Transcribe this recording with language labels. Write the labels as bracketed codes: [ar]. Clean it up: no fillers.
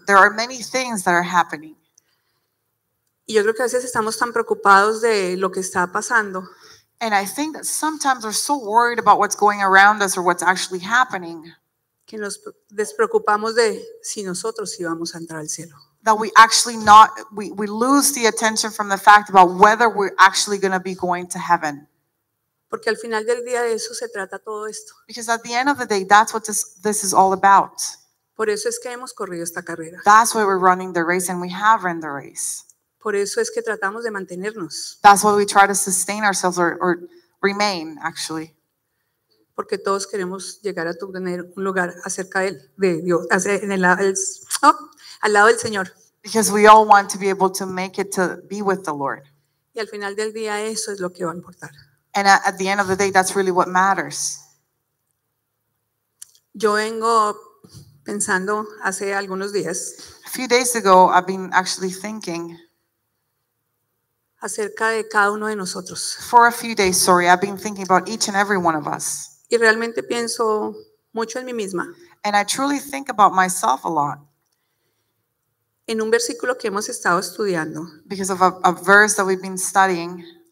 [en] There are many things that are happening. [es] Y yo creo que a veces estamos tan preocupados de lo que está pasando. [en] And I think that sometimes we're so worried about what's going around us or what's actually happening. [es] que nos despreocupamos de si nosotros íbamos a entrar al cielo. [en] That we actually not we lose the attention from the fact about whether we're actually going to be going to heaven. [es] Porque al final del día de eso se trata todo esto. [en] Because at the end of the day, that's what this is all about. [es] Por eso es que hemos corrido esta carrera. [en] That's why we're running the race, and we have run the race. [es] Por eso es que tratamos de mantenernos. [en] That's why we try to sustain ourselves or remain, actually. [es] Porque todos queremos llegar a tener un lugar acerca de Dios, en el al lado del Señor. [en] Because we all want to be able to make it to be with the Lord. [es] Y al final del día eso es lo que va a importar. [en] And at the end of the day, that's really what matters. [es] Yo vengo pensando hace algunos días. [en] A few days ago, I've been actually thinking. [es] Acerca de cada uno de nosotros. [en] For a few days, sorry, I've been thinking about each and every one of us. [es] Y realmente pienso mucho en mí misma. [en] And I truly think about myself a lot. [es] En un versículo que hemos estado estudiando. [en] Because of a verse that we've been studying.